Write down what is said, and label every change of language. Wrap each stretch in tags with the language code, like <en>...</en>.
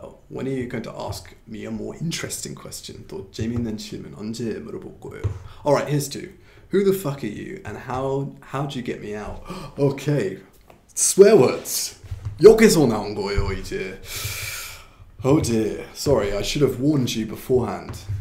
<en>When are you going to ask me a more interesting question?</en> <ko>또 재미있는 질문 언제 물어볼 거예요?</ko> <en>All right, here's two. Who the fuck are you? And how do you get me out? Okay, swear words.</en> <ko>여기서 나온 거예요 이제.</ko> <en>Oh dear, sorry, I should have warned you beforehand.</en>